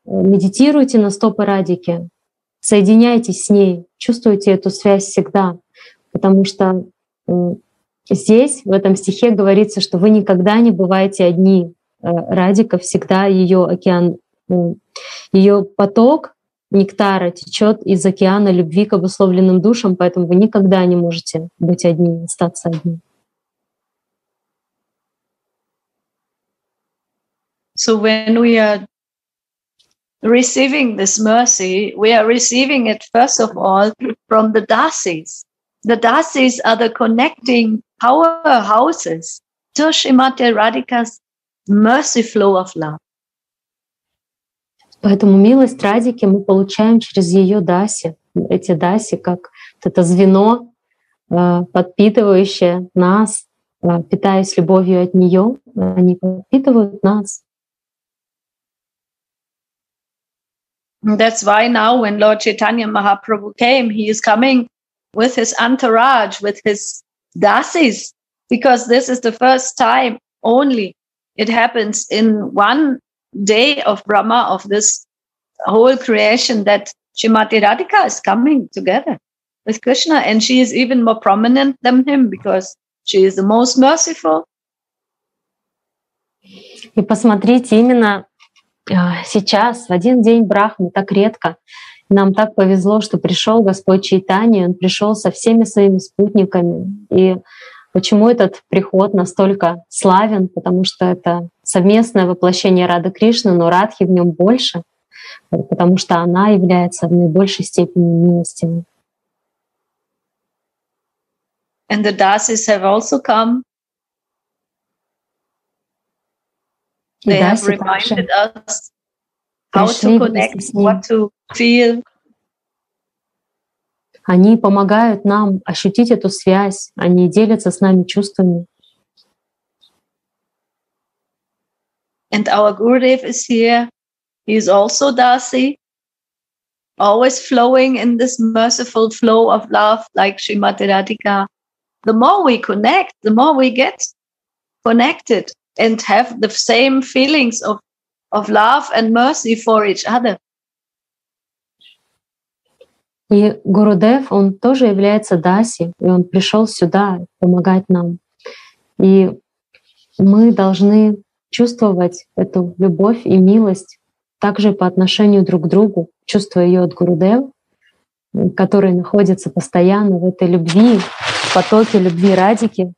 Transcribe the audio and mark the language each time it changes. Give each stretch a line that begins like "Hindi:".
Russian: Медитируйте на стопы Радики, соединяйтесь с ней, чувствуйте эту связь всегда, потому что здесь, в этом стихе, говорится, что вы никогда не бываете одни. Радика всегда ее океан, ее поток, нектара течет из океана любви к обусловленным душам, поэтому вы никогда не можете быть одни, остаться одни.
English: So when we are receiving this mercy, we are receiving it first of all from the Dasis. The Dasis are the connecting powerhouses to Srimati Radhika's mercy flow of love.
Russian: Поэтому милость Радики мы получаем через ее даси. Эти даси, как вот это звено, подпитывающее нас, питаясь любовью от нее, они подпитывают нас.
English: That's why now when Lord Chaitanya Mahaprabhu came, he is coming with his entourage, with his dasis, because this is the first time only it happens in one day of Brahma, of this whole creation, that Srimati Radhika is coming together with Krishna, and she is even more prominent than him because she is the most merciful.
Russian: И посмотрите, именно сейчас, в один день Брахмы, так редко, нам так повезло, что пришел Господь Чайтанья, он пришел со всеми своими спутниками. И почему этот приход настолько славен? Потому что это совместное воплощение Рады Кришны, но Радхи в нем больше, потому что она является в наибольшей степени милостивой.
English: And the Dasis have also come. They have reminded us how to connect, what to feel.
Russian: Они помогают нам ощутить эту связь, они делятся с нами чувствами.
English: And our Gurudev is here. He is also Dasi, always flowing in this merciful flow of love, like Srimati Radhika. The more we connect, the more we get connected and have the same feelings of love and mercy for each other.
Russian: И Гурудев, он тоже является Даси, и он пришел сюда помогать нам. И мы должны чувствовать эту любовь и милость также по отношению друг к другу, чувствуя ее от Гурудев, который находится постоянно в этой любви, в потоке любви Радики.